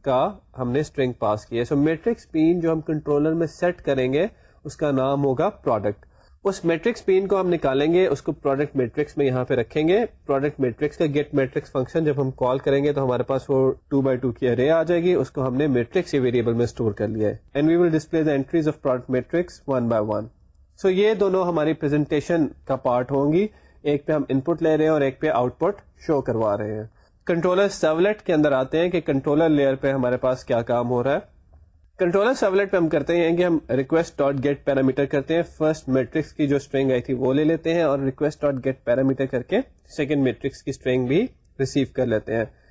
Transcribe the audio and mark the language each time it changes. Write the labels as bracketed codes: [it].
[ur] کا ہم نے اسٹرنگ پاس کی ہے. سو میٹرکس پین جو ہم کنٹرولر میں سیٹ کریں گے اس کا نام ہوگا پروڈکٹ. اس میٹرکس پین کو ہم نکالیں گے, اس کو پروڈکٹ میٹرکس میں یہاں پہ رکھیں گے. پروڈکٹ میٹرکس کا گیٹ میٹرکس فنکشن جب ہم کال کریں گے تو ہمارے پاس وہ 2x2 کی ارے آ جائے گی, اس کو ہم نے میٹرکس کے ویریبل میں اسٹور کر لیا ہے. [en] And we will display the entries of product matrix 1x1. [ur] سو یہ دونوں ہماری پریزنٹیشن کا پارٹ ہوں گی, ایک پہ ہم ان پٹ لے رہے ہیں اور ایک پہ آؤٹ پٹ شو کروا رہے ہیں. کنٹرولر سرولیٹ کے اندر آتے ہیں کہ کنٹرولر لیئر پہ ہمارے پاس کیا کام ہو رہا ہے. کنٹرولر سرولیٹ پہ ہم کرتے ہیں کہ ہم ریکویسٹ ڈاٹ گیٹ پیرامیٹر کرتے ہیں, فرسٹ میٹرکس کی جو اسٹرنگ آئی تھی وہ لے لیتے ہیں اور ریکویسٹ ڈاٹ گیٹ پیرامیٹر کر کے سیکنڈ میٹرکس کی اسٹرنگ بھی ریسیو کر لیتے ہیں.